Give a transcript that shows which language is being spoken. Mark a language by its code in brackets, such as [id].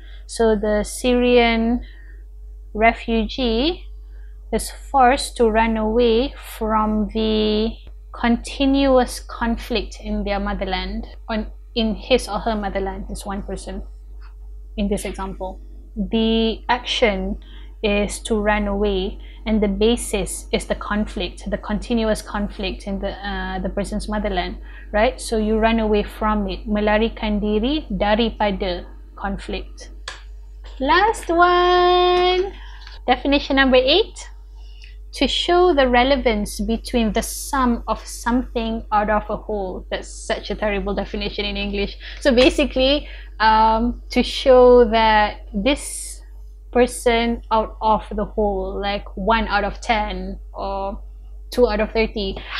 [en] So the Syrian refugee is forced to run away from the continuous conflict in their motherland, in his or her motherland, this one person in this example. The action is to run away, and the basis is the conflict, the continuous conflict in the person's motherland, right? So you run away from it. [ms] Melarikan diri daripada conflict. [en] Last one! Definition number eight. To show the relevance between the sum of something out of a whole. That's such a terrible definition in English. So basically, to show that this person out of the whole, like 1 out of 10 or 2 out of 30.